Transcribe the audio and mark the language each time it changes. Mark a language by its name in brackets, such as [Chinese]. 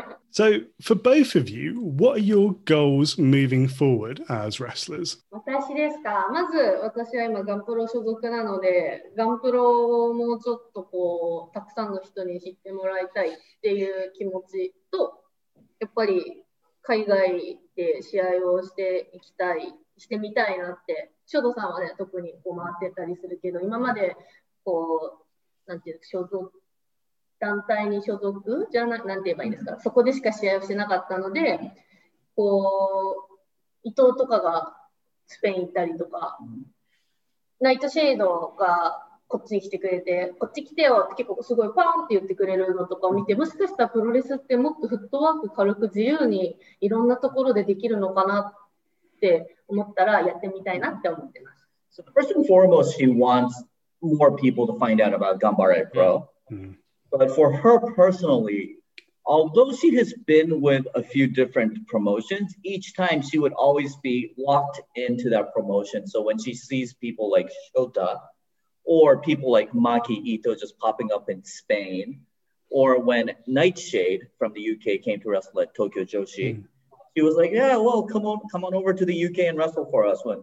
[English] So for both of you, what are your goals moving forward as wrestlers? [Japanese] 私ですか。まず私は今ガンプロ所属なので、ガンプロをもうちょっとこうたくさんの人に知ってもらいたいっていう気持ちと、やっぱり海外で試合をしていきたい、してみたいなって。ショートさんはね、特にこう回ってたりするけど、今までこうなんていう所属団体に所属じゃな、なんて言えばいいんですか、そこでしか試合をしてなかったので、こう伊藤とかがスペイン行ったりとか、ナイトシェードがこっちに来てくれて、こっち来てよって結構すごいパーンって言ってくれるのとかを見て、もしかしたらプロレスってもっとフットワーク軽く自由にいろんなところでできるのかなって思ったら、やってみたいなって思ってます。 [English] So first and foremost, she wants more people to find out about Ganbare Pro. But for her personally, although she has been with a few different promotions, each time she would always be locked into that promotion. So when she sees people like Shota or people like Maki Ito just popping up in Spain, or when Nightshade from the UK came to wrestle at Tokyo Joshi, she was like, yeah, well, come on over to the UK and wrestle for us.